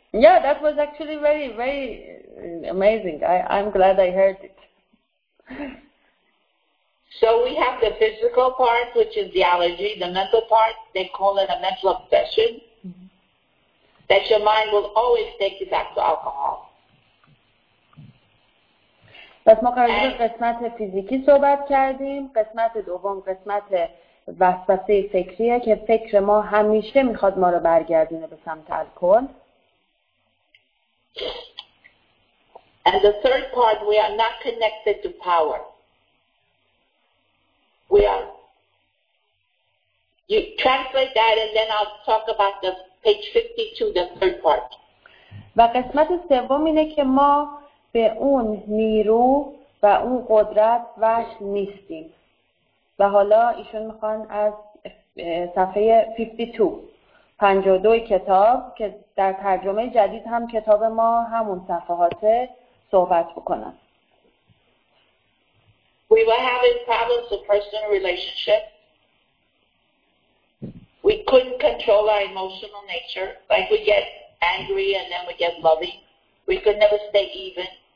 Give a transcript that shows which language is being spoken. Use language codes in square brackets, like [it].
[en] Yeah, that was actually very, very amazing. I'm glad I heard it. So we have the physical part, which is the allergy, the mental part, they call it a mental obsession, that your mind will always take you back to alcohol. [fa] پس ما قراره قسمت فیزیکی صحبت کردیم. قسمت دوم قسمت وسوسه فکریه که فکر ما همیشه میخواد ما رو برگردونه به سمت الکل. [en] And the third part, we are not connected to power. We are. You translate that and then I'll talk about the page 52, the third part. [fa] و قسمت سوم اینه که ما به اون نیرو و اون قدرت وش نیستیم و حالا ایشون میخوان از صفحه 52 کتاب که در ترجمه جدید هم کتاب ما همون صفحات صحبت بکنن. [en] We were having problems with personal relationship. We couldn't control our emotional nature. Like we get angry and then we get loving. We could never stay even.